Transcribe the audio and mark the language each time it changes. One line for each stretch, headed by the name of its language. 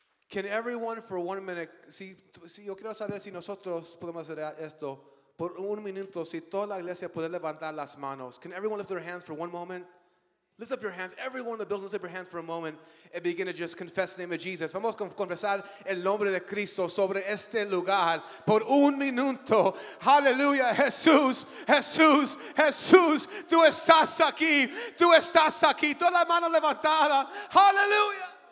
English: Can everyone for 1 minute,
Spanish: si yo quiero saber si nosotros podemos hacer esto, por un minuto, si toda la iglesia puede levantar las manos.
English: Can everyone lift their hands for one moment? Lift up your hands. Everyone in the building, lift up your hands for a moment and begin to just confess the name of Jesus.
Spanish: Vamos a confesar el nombre de Cristo sobre este lugar por un minuto. Hallelujah. Jesús, Jesús, Jesús, tú estás aquí. Tú estás aquí. Toda la mano levantada. Hallelujah.